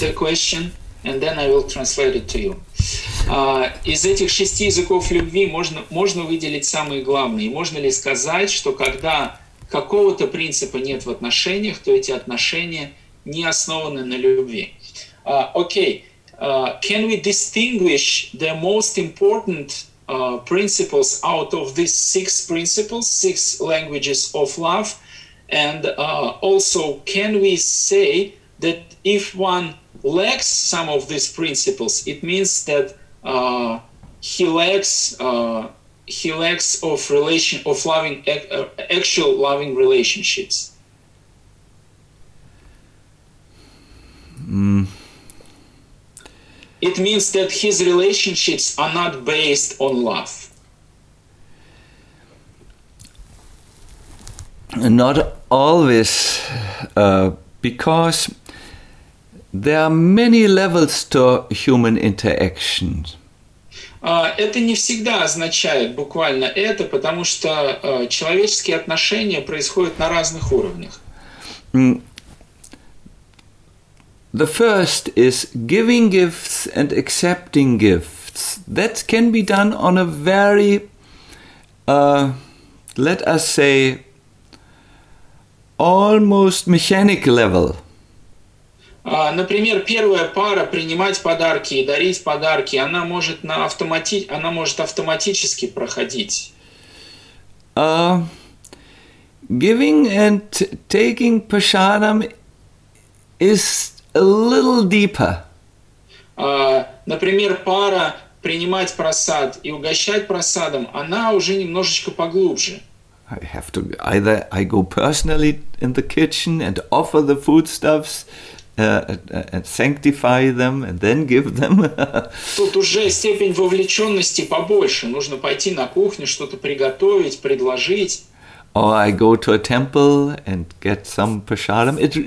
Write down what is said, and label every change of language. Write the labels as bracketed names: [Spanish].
[English] the question, and then I will translate it to you. [Russian] Из этих шести языков любви можно выделить самые главные. Можно ли сказать, что когда какого-то принципа нет в отношениях, то эти отношения не основаны на любви? [English] Can we distinguish the most important principles out of these six principles, six languages of love? And also, can we say that if one lacks some of these principles, it means that he lacks of relation of loving actual loving relationships. It means that his relationships are not based on love. Not always, because there are many levels to human interaction. [Russian] Это не всегда означает буквально это, потому что человеческие отношения происходят на разных уровнях. [English] The first is giving gifts and accepting gifts. That can be done on a very, let us say, almost mechanical level. [Russian] Например, первая пара — принимать подарки и дарить подарки, она может автоматически проходить. [English] Giving and taking prasadam is a little deeper. [Russian] Например, пара — принимать прасад и угощать прасадом, она уже немножечко поглубже. [English] I have to either I go personally in the kitchen and offer the foodstuffs. And sanctify them and then give them. [Russian] Тут уже степень вовлеченности побольше. Нужно пойти на кухню, что-то приготовить, предложить. [English] Or I go to a temple and get some prasadam.